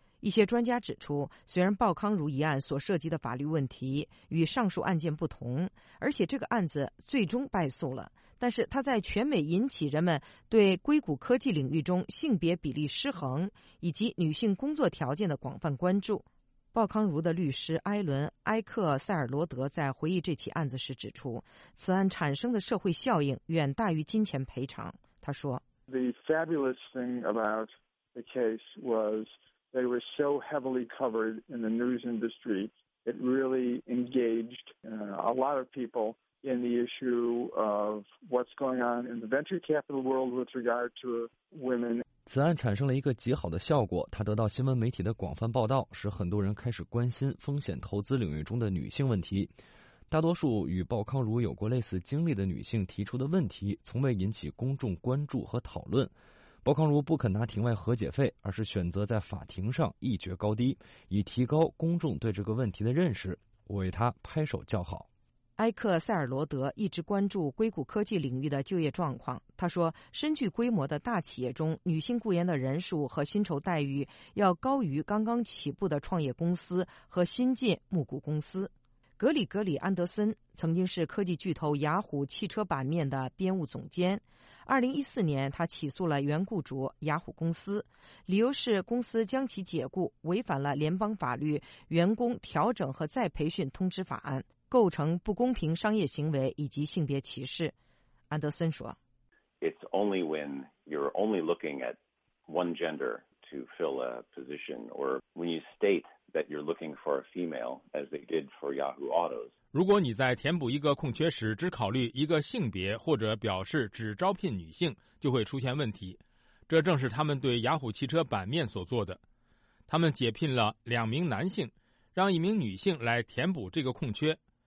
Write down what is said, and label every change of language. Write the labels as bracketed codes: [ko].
[zh] 一些专家指出，虽然鲍康儒一案所涉及的法律问题与上述案件不同，而且这个案子最终败诉了，但是他在全美引起人们对硅谷科技领域中性别比例失衡以及女性工作条件的广泛关注。鲍康儒的律师埃伦·埃克塞尔罗德在回忆这起案子时指出，此案产生的社会效应远大于金钱赔偿。他说 [en] ：“The fabulous thing about the case was they were so heavily covered in the news industry It really engaged a lot of people in the issue of what's going on in the venture capital world with regard to women. [zh] 此案产生了一个极好的效果，它得到新闻媒体的广泛报道，使很多人开始关心风险投资领域中的女性问题。大多数与鲍康儒有过类似经历的女性提出的问题，从未引起公众关注和讨论。鲍康儒不肯拿庭外和解费，而是选择在法庭上一决高低，以提高公众对这个问题的认识。我为他拍手叫好。埃克·塞尔罗德一直关注硅谷科技领域的就业状况。他说，深具规模的大企业中，女性雇员的人数和薪酬待遇要高于刚刚起步的创业公司和新进募股公司。格里格里·安德森曾经是科技巨头雅虎汽车版面的编务总监。 2014年，他起诉了原雇主雅虎公司，理由是公司将其解雇违反了联邦法律《员工调整和再培训通知法案》，构成不公平商业行为以及性别歧视。安德森说 [en] ：“It's only when you're only looking at one gender to fill a position, or when you state that you're looking for a female, as they did for Yahoo Autos。 [zh] 如果你在填补一个空缺时只考虑一个性别，或者表示只招聘女性，就会出现问题。这正是他们对雅虎汽车版面所做的。他们解聘了两名男性，让一名女性来填补这个空缺。”